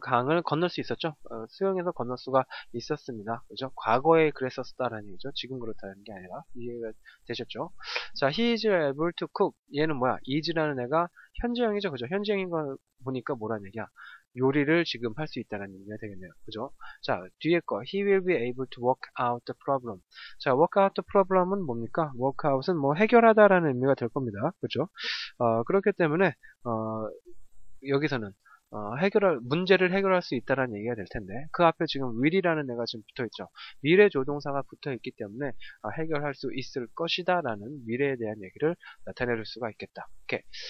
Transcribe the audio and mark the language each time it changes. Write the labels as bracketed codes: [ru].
[ko] 강을 건널 수 있었죠. 수영에서 건널 수가 있었습니다. 그죠? 과거에 그랬었다라는 얘기죠. 지금 그렇다는 게 아니라. 이해가 되셨죠? 자, [en] he is able to cook. [ko] 얘는 뭐야? is라는 애가 현재형이죠. 그죠? 현재형인 걸 보니까 뭐라는 얘기야? 요리를 지금 할 수 있다는 얘기가 되겠네요. 그죠? 자, 뒤에 거. [en] He will be able to work out the problem. 자, work out the problem은 [ko] 뭡니까? work out은 뭐 해결하다라는 의미가 될 겁니다. 그죠? 그렇기 때문에, 여기서는 문제를 해결할 수 있다라는 얘기가 될 텐데, 그 앞에 지금 will이라는 애가 지금 붙어 있죠. 미래 조동사가 붙어 있기 때문에 해결할 수 있을 것이다 라는 미래에 대한 얘기를 나타낼 수가 있겠다. 오케이.